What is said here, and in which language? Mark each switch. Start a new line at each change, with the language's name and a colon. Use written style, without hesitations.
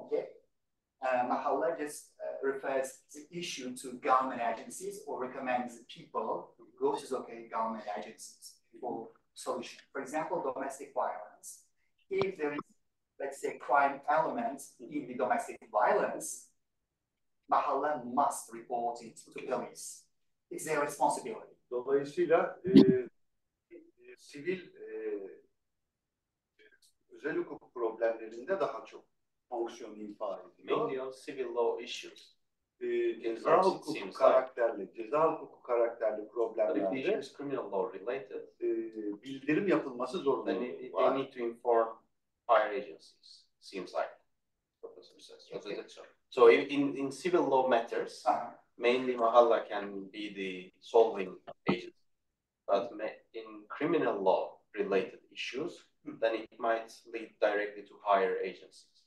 English: okay, mahalla just refers the issue to government agencies or recommends people who go to okay government agencies for solution. For example, domestic violence. If there is, let's say, crime element in the domestic violence, mahalla must report it to police. It's their responsibility.
Turkish: Dolayısıyla sivil özel hukuk problemlerinde daha çok fonksiyonu ifade ediyor.
English: Mainly on civil law issues.
Turkish: ceza hukuku karakterli, ceza hukuku karakterli problemlerde bildirim yapılması zorunluluğu var.
English: They need to inform higher agencies, seems like. So in civil law matters, mainly mahalla can be the solving agent. But in criminal law related issues, then it might lead directly to higher agencies.